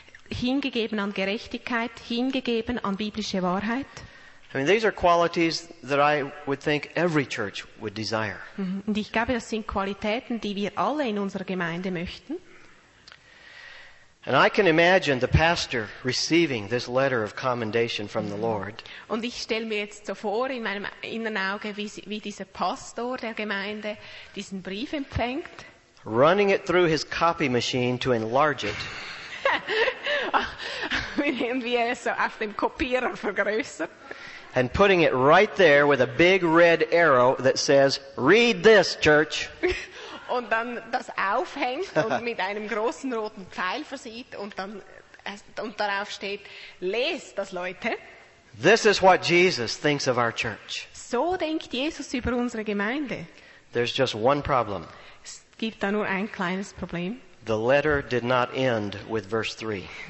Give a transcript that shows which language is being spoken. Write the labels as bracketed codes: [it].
[de] Hingegeben an Gerechtigkeit, hingegeben an biblische Wahrheit. [en] I mean, these are qualities that I would think every church would desire. [de] Und ich glaube, das sind Qualitäten, die wir alle in unserer Gemeinde möchten. [en] And I can imagine the pastor receiving this letter of commendation from the Lord. [de] Und ich stelle mir jetzt so vor in meinem inneren Auge, wie dieser Pastor der Gemeinde diesen Brief empfängt. [en] Running it through his copy machine to enlarge it. [de] Wie er es so auf dem Kopierer vergrößert. [en] And putting it right there with a big red arrow that says, "Read this, church." [de] Und dann das aufhängt und mit einem großen roten Pfeil versieht und dann und darauf steht, "Lest das, Leute." [en] This is what Jesus thinks of our church. [de] So denkt Jesus über unsere Gemeinde. [en] There's just one problem. [de] Es gibt da nur ein kleines Problem. [en] The letter did not end with verse 3.